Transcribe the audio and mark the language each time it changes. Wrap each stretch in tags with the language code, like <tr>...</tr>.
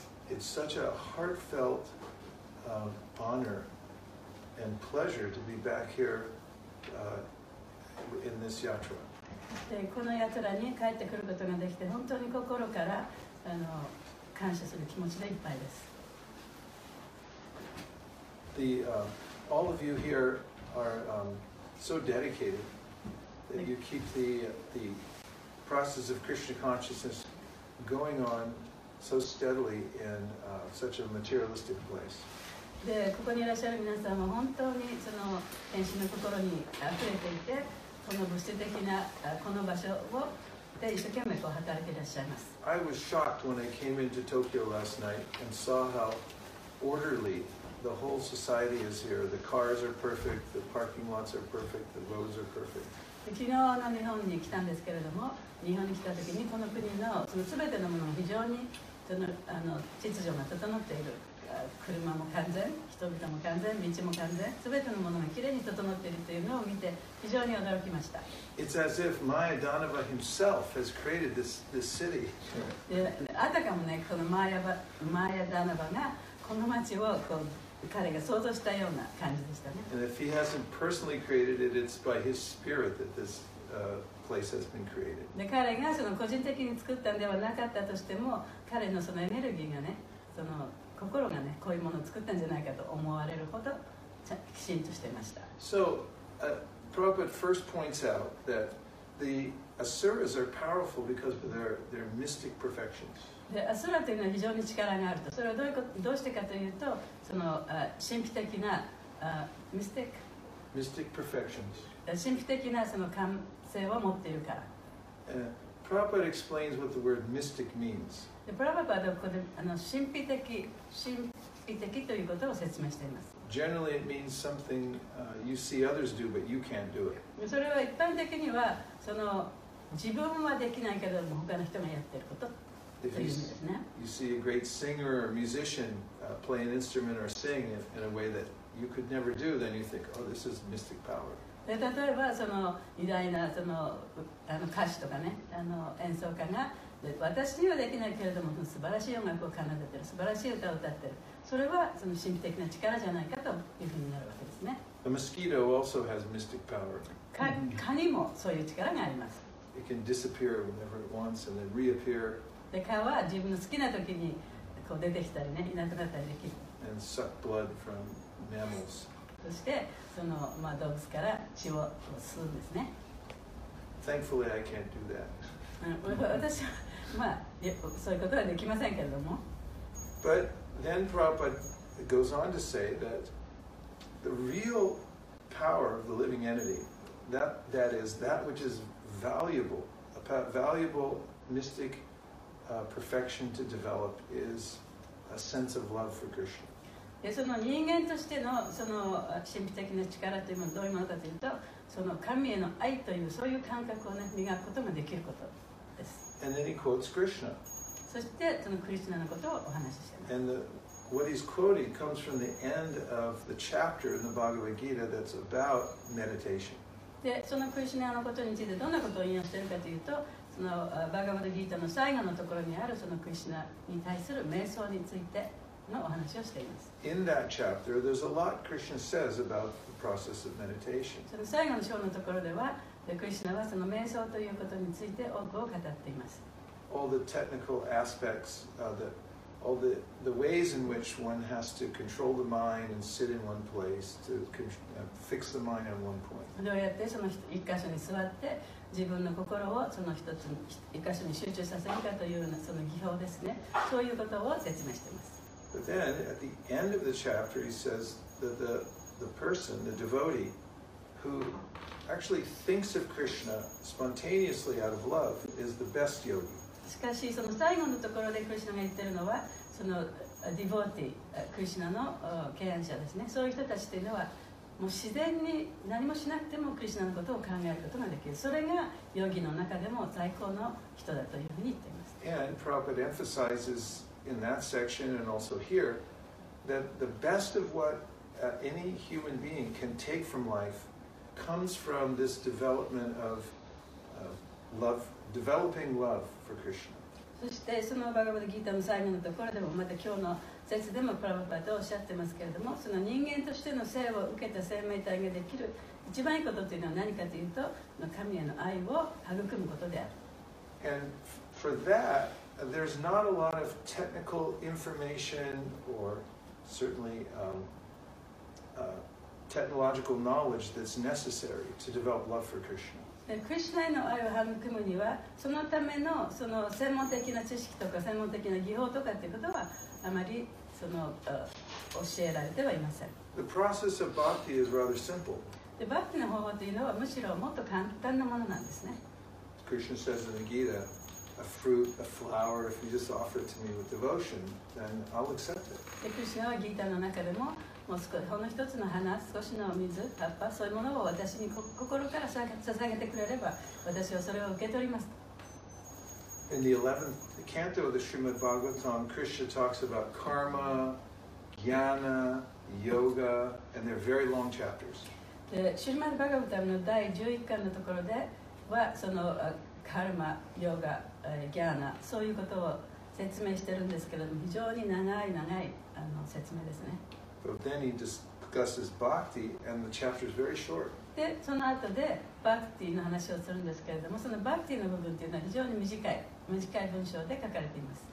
<en>It's such a heartfelt honor and pleasure to be back here in this yatra.</en> <ja>でこの奴らに帰ってくることができて本当に心から感謝する気持ちでいっぱいです。</ja> <en>The, all of you here are so dedicated that you keep the process of Krishna consciousness going on so steadily in such a materialistic place.</en> <ja>でここにいらっしゃる皆さんは本当にその天使の心にあふれていてこの物質的なこの場所をで一生懸命こう働いていらっしゃいます。</ja> <en>I was shocked when I came into Tokyo last night and saw how orderly the whole society is here. The cars are perfect, the parking lots are perfect, the roads are perfect.</en> <ja>昨日の日本に来たんですけれども、日本に来た時にこの国のその全てのものが非常にその秩序が整っている。車も完全、人々も完全、道も完全、すべてのものがきれいに整っているというのを見て非常に驚きました。</ja> <en>It's as if Maya Danava himself has created this city.</en> <ja>あたかもね、このマーヤ・ダナバがこの街をこう彼が想像したような感じでしたね。</ja> <en>And if he hasn't personally created it, it's by his spirit that this, place has been created.</en> <ja>で彼がその個人的に作ったのではなかったとしても、彼のそのエネルギーがね、その心がね、こういうものを作ったんじゃないかと思われるほどきちんとしていました。</ja> <en>So, Prabhupada first points out that the asuras are powerful because of their mystic perfections.</en> <ja>で、アスラというのは非常に力があると。それはどうしてかというと、その神秘的な</ja> <en>mystic perfections.</en> <ja>神秘的なその感性を持っているから。</ja> <en>Prabhupada explains what the word mystic means.</en> <ja>でプラバパはここで神秘的ということを説明しています。</ja> <en>Generally, it means something you see others do, but you can't do it.</en> <ja>それは一般的にはその自分はできないけども他の人がやってることという意味ですね。</ja> <en>You see a great singer or musician play an instrument or sing in a way that you could never do, then you think, oh, this is mystic power.</en> <ja>で例えばその偉大なその歌手とかね演奏家が私にはできないけれども素晴らしい音楽を奏でてる素晴らしい歌を歌ってるそれはその神秘的な力じゃないかというふうになるわけですね。</ja> <en>The mosquito also has mystic power.</en> <ja>カニもそういう力があります。</ja> <en>It can disappear whenever it wants and then reappear.</en> <ja>で蚊は自分の好きな時にこう出てきたりねいなくなったりできる。</ja> <en>And suck blood from mammals.</en> <ja>そしてその、まあ、動物から血を吸うんですね。</ja> <en>Thankfully I can't do that.</en> <ja>私は、まあ、そういうことはできませんけれども。</ja> <en>But then Prabhupada goes on to say that the real power of the living entity, that is that which is valuable, a valuable mystic perfection to develop is a sense of love for Krishna.</en> <ja>その人間としてのその神秘的な力というものはどういうものかというと、その神への愛というそういう感覚をね磨くことができること。</ja> <en>And then he quotes Krishna.</en> <ja>そしてそのクリシュナのことをお話ししています。</ja> <en>And what he's quoting comes from the end of the chapter in the Bhagavad Gita that's about meditation.</en> <ja>で、そのクリシュナのことについてどんなことを引用しているかというと、そのバガヴァッド・ギータの最後のところにあるそのクリシュナに対する瞑想についてのお話をしています。</ja> <en>In that chapter, there's a lot Krishna says about the process of meditation.</en> <ja>その最後の章のところでは、でクリシュナはその瞑想ということについて多くを語っています。</ja> <en>All the technical aspects, all the ways in which one has to control the mind and sit in one place to fix the mind at one point.</en> <ja>どうやってその一箇所に座って自分の心をその一つ一箇所に集中させるかというようなその技法ですね。そういうことを説明しています。</ja> <en>But then at the end of the chapter, he says that the person, the devotee, who actually thinks of Krishna spontaneously out of love is the best yogi.</en> <ja>しかしその最後のところでクリシュナが言ってるのはそのディボーティクリシュナの敬愛者ですね。そういう人たちというのはもう自然に何もしなくてもクリシュナのことを考えることができる。それがヨギの中でも最高の人だというふうに言っています。</ja> <en>And Prabhupada emphasizes in that section and also here that the best of what any human being can take from lifeComes from this development of love, developing love for Krishna.</en> <ja>そしてそのバガヴァッド・ギータの最後のところでもまた今日の説でもプラバパとおっしゃってますけれども、その人間としての生を受けた生命体ができる一番いいことというのは何かというと、神への愛を育むことである。</ja> <en>And for that, there's not a lot of technical information or certainly technological knowledge that's necessary to develop love for Krishna.</en> <ja>クリシュナへの愛を育むには、そのため の, その専門的な知識とか専門的な技法とかということはあまりその教えられてはいません。</ja> <en>The process of bhakti is rather simple.</en> <ja>でバッティの方法というのはむしろもっと簡単なものなんですね。</ja> <en>Krishna says in the Gita, a fruit, a flower, if you just offer it to me with devotion, then I'll accept it.</en> <ja>で、クリシュナはギータの中でも、もう少しほんの一つの花、少しの水、葉っぱ、そういうものを私に心から捧げてくれれば、私はそれを受け取ります。</ja> <en>In the 11th canto of the Srimad Bhagavatam, Krishna talks about karma, jnana, yoga, and they're very long chapters.</en> <ja>でシュリマル・バガヴァタムの第11巻のところではそのカルマ、ヨガ、ギャーナそういうことを説明してるんですけれども非常に長い長いあの説明ですね。</ja> <en>But then he discusses bhakti and the chapter is very short.</en> <ja>でその後でバクティの話をするんですけれどもそのバクティの部分というのは非常に短い文章で書かれています。</ja>